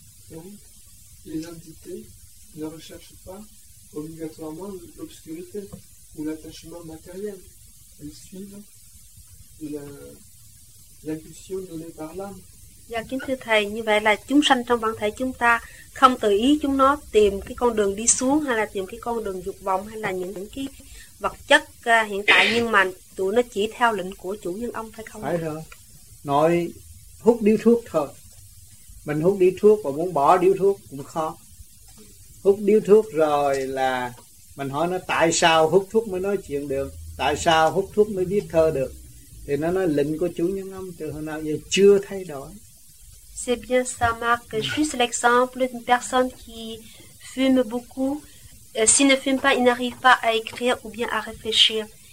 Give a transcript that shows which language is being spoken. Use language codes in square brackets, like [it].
[fr] Donc, les entités ne recherchent pas obligatoirement l'obscurité ou l'attachement matériel. Elles suivent l'impulsion donnée par l'âme. [vi] Dạ kính thưa thầy, như vậy là chúng sanh trong bản thể chúng ta không tự ý chúng nó tìm cái con đường đi xuống, hay là tìm cái con đường dục vọng, hay là những cái vật chất hiện tại, nhưng mà tụi nó chỉ theo lệnh của chủ nhân ông phải không? Phải rồi. Nói hút điếu thuốc thôi. Mình hút điếu thuốc và muốn bỏ điếu thuốc cũng khó. Hút điếu thuốc rồi là mình hỏi nó tại sao hút thuốc mới nói chuyện được, tại sao hút thuốc mới viết thơ được. Thì nó nói lệnh của chủ nhân ông từ hồi nào giờ chưa thay đổi. [fr] C'est bien ça, Marc. Juste l'exemple d'une personne qui fume beaucoup. S'il ne fume pas, il n'arrive pas à écrire ou bien à réfléchir.